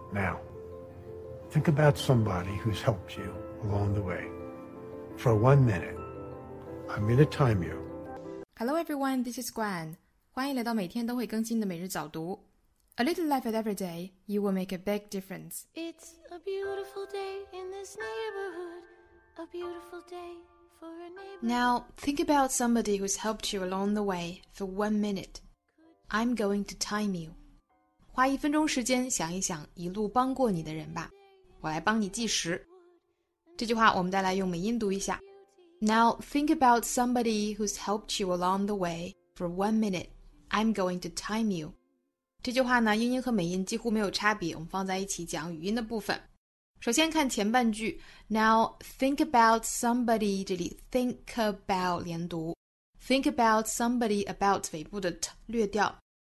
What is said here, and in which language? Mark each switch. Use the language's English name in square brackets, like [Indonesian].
[English] Now, think about somebody who's helped you along the way. For 1 minute, I'm going to time you. Hello everyone, this is Gwen. [Chinese] 欢迎来到每天都会更新的每日早读。 [English] A little life at every day, you will make a big difference. It's a beautiful day in this neighborhood. A beautiful day for a neighbor. Now, think about somebody who's helped you along the way for 1 minute. I'm going to time you. [Chinese] 花一分钟时间想一想一路帮过你的人吧。我来帮你计时。这句话我们再来用美音读一下。 [English] Now, think about somebody who's helped you along the way for 1 minute. I'm going to time you. [Chinese] 这句话呢，英音和美音几乎没有差别，我们放在一起讲语音的部分。首先看前半句 [English] ，Now think about somebody， [Chinese] 这里 [English] think about [Chinese] 连读 [English] ，think about somebody about [Chinese] 尾部的 t 略掉。